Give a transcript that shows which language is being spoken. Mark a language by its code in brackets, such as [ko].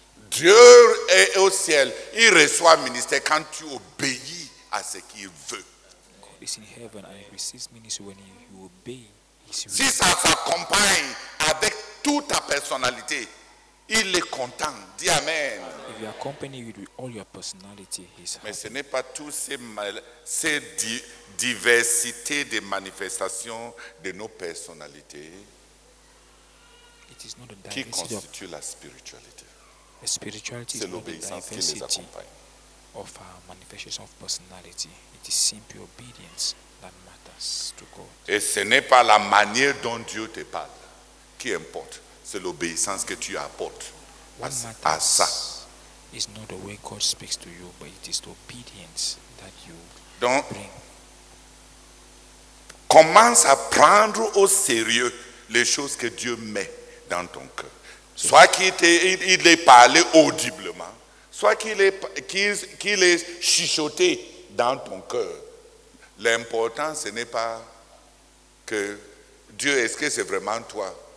[fr] Dieu est au ciel. Il reçoit ministère quand tu obéis à ce qu'il veut. [en] God is in heaven and he receives ministry when you obey. [fr] Si ça s'accompagne avec toute ta personnalité. Il est content. Dis amen. [en] If you accompany it with all your personality, he's happy. [fr] Mais ce n'est pas tout ces diversité de manifestations de nos personnalités [en] it is not [fr] qui constitue la spiritualité. [en] The spirituality [fr] c'est [en] is [fr] l'obéissance [en] not the diversity [fr] qui les accompagne. [en] Of our manifestation of personality. It is simply obedience that matters to God. [fr] Et ce n'est pas la manière dont Dieu te parle qui importe. C'est l'obéissance que tu apportes à ça. [en] It's not the way God speaks to you, but it is the obedience that you [fr] donc, [en] bring. [fr] Commence à prendre au sérieux les choses que Dieu met dans ton cœur. Soit qu'il ait parlé audiblement, soit qu'il ait chuchoté dans ton cœur. L'important, ce n'est pas que Dieu, est-ce que c'est vraiment toi?